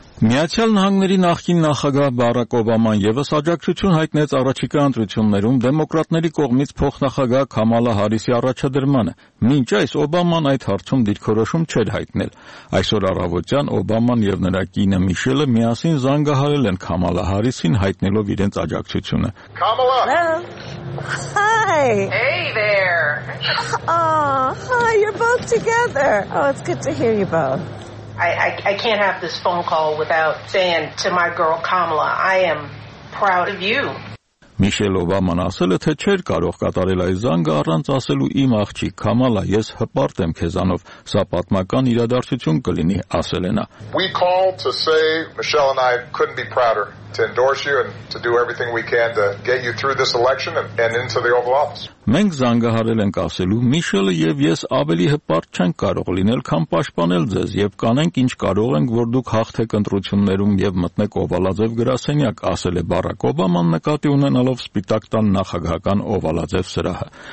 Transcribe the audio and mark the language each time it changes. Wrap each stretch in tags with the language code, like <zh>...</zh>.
<hy>Միացյալ Նահանգների նախկին նախագահ Բարակ Օբաման ևս աջակցություն հայտնեց առաջիկա ընտրություններում դեմոկրատների կողմից փոխնախագահ Քամալա Հարիսի առաջադրմանը։ Մինչ այս Օբաման այդ հարցում դիրքորոշում չէր հայտնել։ Այսօր առավոտյան Օբաման և նրա կինը Միշելը միասին զանգահարել են Քամալա Հարիսին, հայտնելով իրենց աջակցությունը։</hy> <en>I can't have this phone call without saying to my girl Kamala, I am proud of you.</en> <hy>Միշել Օբաման ասել է, թե չէր կարող կատարել այս զանգը առանց ասելու իմ աղջիկ Քամալա, ես հպարտ եմ քեզանով, սա պատմական իրադարձություն կլինի, ասել է նա։</hy> <en>We called to say Michelle and I couldn't be prouder to endorse you and to do everything we can to get you through this election and into the Oval Office.</en> <hy>Մենք զանգահարել ենք ասելու, Միշելը եւ ես ավելի հպարտ չենք կարող լինել, քան պաշտպանել ձեզ եւ կանենք ինչ կարող ենք, որ դուք հաղթեք ընտրություններում եւ մտնեք Օվալաձև գրասենյակ, ասել է Բարակ Օբաման նկատի ունեն Նալով Սպիտակ տան նախագահական Օվալաձև սրահը։</hy>